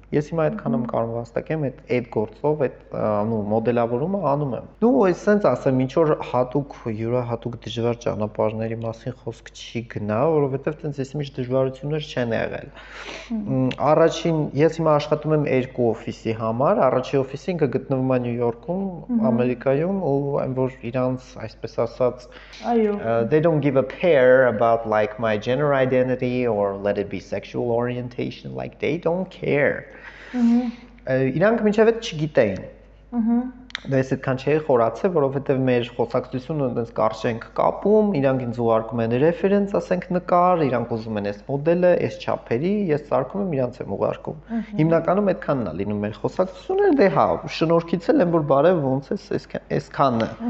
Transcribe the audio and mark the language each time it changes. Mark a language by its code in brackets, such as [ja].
[hy] Ես հիմա այդքան եմ կարող վաստակեմ այդ գործով, այդ անում մոդելավորումը անում եմ։ Դու այսպես ասեմ, ինչ որ հատուկ յուրահատուկ դժվար ճանապարհների մասին խոսք չի գնա, որովհետև այդպես էս միշտ դժվարություններ չեն եղել։ Առաջին, ես հիմա աշխատում եմ երկու օֆիսի համար, առաջին օֆիսը ինքը գտնվում է Նյու Յորքում, Ամերիկայում, ու այն որ իրանց, այսպես ասած, այո, [en] they don't give a care about like my gender identity or let it be sexual orientation, like they don't care. [hy] Իրանք մինչև այդ չգիտեին։ Դες այդքան չէի խորացել, որովհետև մեր խոսակցությունը այնպես կարճենք կապում, իրանք ինձ ուղարկում են ռեֆերենս, ասենք նկար, իրանք ուզում են այս մոդելը, այս չափերի, ես ցարկում եմ իրանց եմ ուղարկում։ Հիմնականում այդքանն է լինում մեր խոսակցությունը, դե հա, շնորհքից էլ եմ որ բարև, ոնց էս այսքանը։